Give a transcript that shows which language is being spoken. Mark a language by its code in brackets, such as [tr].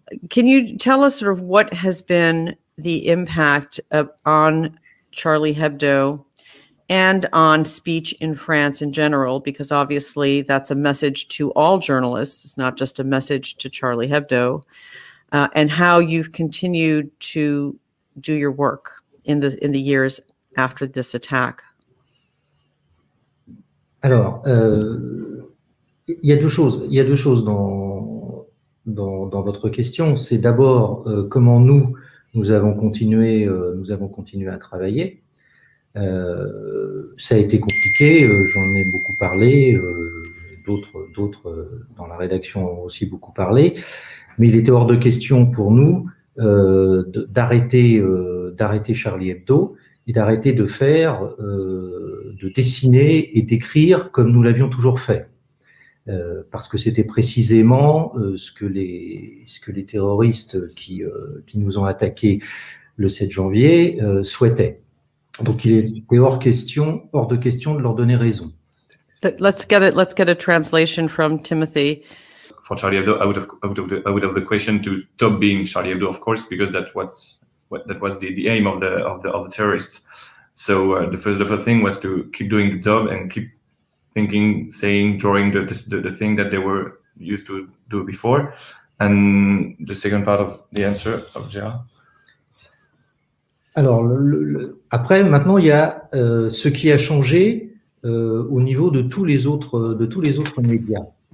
[en] Can you tell us sort of what has been the impact on Charlie Hebdo and on speech in France in general? Because obviously that's a message to all journalists. It's not just a message to Charlie Hebdo, and how you've continued to do your work in the years after this attack. [fr] Alors, il y a deux choses dans votre question. C'est d'abord comment nous avons continué à travailler. Ça a été compliqué, j'en ai beaucoup parlé, d'autres dans la rédaction ont aussi beaucoup parlé, mais il était hors de question pour nous d'arrêter Charlie Hebdo et d'arrêter de faire, de dessiner et d'écrire comme nous l'avions toujours fait, parce que c'était précisément ce que les terroristes qui nous ont attaqués le 7 janvier souhaitaient. Donc, il est hors de question de leur donner raison. [en] But let's get a translation from Timothy. For Charlie Hebdo, I would have the question to stop being Charlie Hebdo, of course, because that was the aim of the terrorists. So the first thing was to keep doing the job and keep thinking, saying, drawing the thing that they were used to do before. And the second part of the answer of Gérard. [fr] Alors, après, maintenant, il y a ce qui a changé au niveau de tous les autres médias.